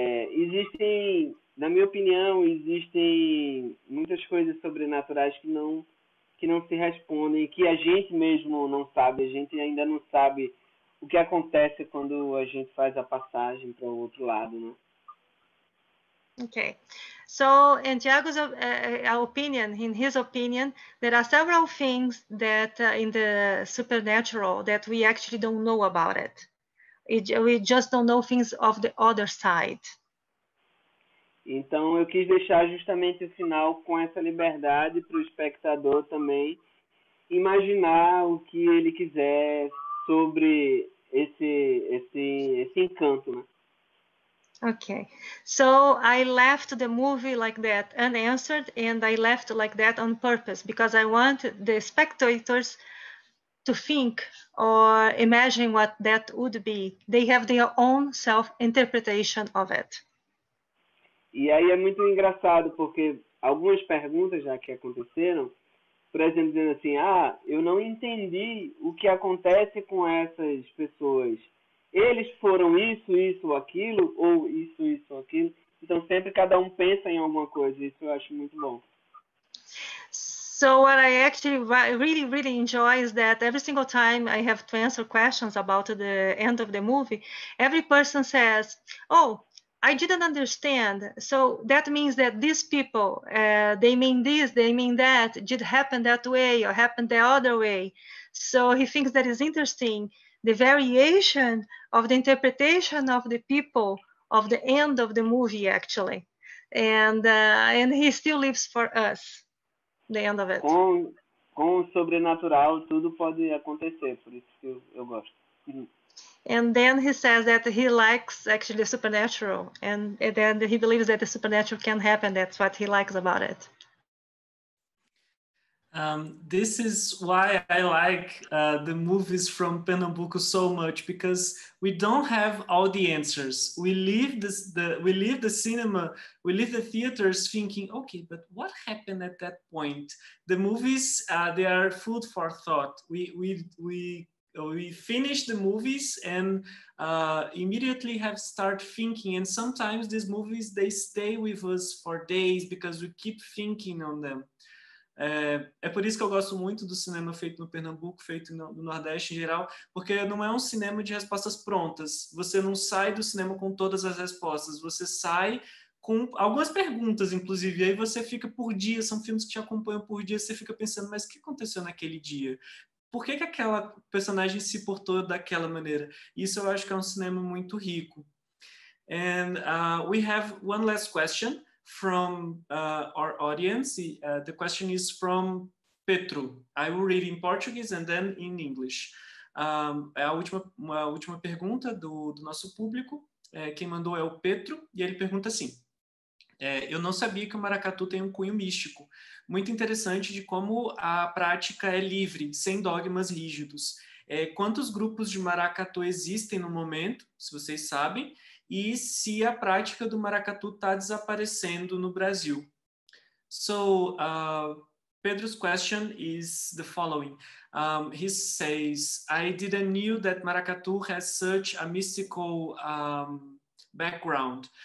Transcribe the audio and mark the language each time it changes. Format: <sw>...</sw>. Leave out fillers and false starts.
<pt>Existem, na minha opinião, existem muitas coisas sobrenaturais que não se respondem, que a gente mesmo não sabe, a gente ainda não sabe o que acontece quando a gente faz a passagem para o outro lado, né?</pt> <en>Okay. So in Tiago's opinion, in his opinion, there are several things that in the supernatural that we actually don't know about it. We just don't know things of the other side.</en> <pt>Então eu quis deixar justamente o final com essa liberdade para o espectador também imaginar o que ele quiser sobre esse encanto, né?</pt> <en>Okay, so I left the movie like that unanswered, and I left like that on purpose because I want the spectators to think or imagine what that would be. They have their own self-interpretation of it.</en> <pt>E aí é muito engraçado porque algumas perguntas já que aconteceram, por exemplo, dizendo assim, eu não entendi o que acontece com essas pessoas. Eles foram isso, aquilo, ou isso, aquilo. Então, sempre cada um pensa em alguma coisa. Isso eu acho muito bom.</pt> <en>So, what I actually really, really enjoy is that every single time I have to answer questions about the end of the movie, every person says, I didn't understand. So, that means that these people, they mean this, they mean that, did happen that way or happened the other way. So, he thinks that is interesting. The variation of the interpretation of the people of the end of the movie, actually. And he still lives for us, the end of it.</en> <pt>Com o sobrenatural, tudo pode acontecer, por isso que eu gosto.</pt> <en>And then he says that he likes, actually, the supernatural. And then he believes that the supernatural can happen. That's what he likes about it. This is why I like the movies from Pernambuco so much, because we don't have all the answers. We leave the theaters thinking, okay, but what happened at that point? The movies, they are food for thought. We finish the movies and immediately have start thinking. And sometimes these movies, they stay with us for days because we keep thinking on them.</en> <pt>É por isso que eu gosto muito do cinema feito no Pernambuco, feito no Nordeste em geral, porque não é um cinema de respostas prontas. Você não sai do cinema com todas as respostas, você sai com algumas perguntas, inclusive, e aí você fica por dia, são filmes que te acompanham por dia, você fica pensando, mas o que aconteceu naquele dia? Por que que aquela personagem se portou daquela maneira? Isso eu acho que é um cinema muito rico.</pt> <en>And we have one last question from our audience. The question is from Petro. I will read in Portuguese and then in English.</en> <pt>A última pergunta do nosso público, quem mandou é o Petro, e ele pergunta assim, eu não sabia que o maracatu tem um cunho místico. Muito interessante de como a prática é livre, sem dogmas rígidos. Quantos grupos de maracatu existem no momento, se vocês sabem, e se a prática do maracatu está desaparecendo no Brasil?</pt> <en>So, Pedro's question is the following. He says, I didn't know that maracatu has such a mystical background.</en>